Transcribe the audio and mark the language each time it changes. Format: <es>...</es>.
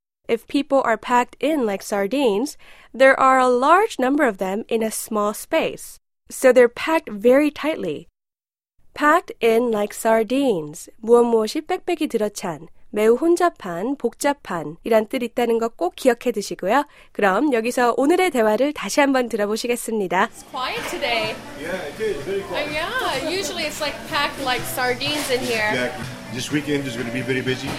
<en>If people are packed in like sardines, there are a large number of them in a small space. So they're packed very tightly. Packed in like sardines.</en> <ko>무엇무엇이 빽빽이 들어찬. 매우 혼잡한, 복잡한 이란 뜻 있다는 거 꼭 기억해 두시고요. 그럼 여기서 오늘의 대화를 다시 한번 들어보시겠습니다.</ko> <en>It's quiet today. Yeah, it is very quiet. Usually it's like packed like sardines in here. Exactly. This weekend is going to be very busy.</en>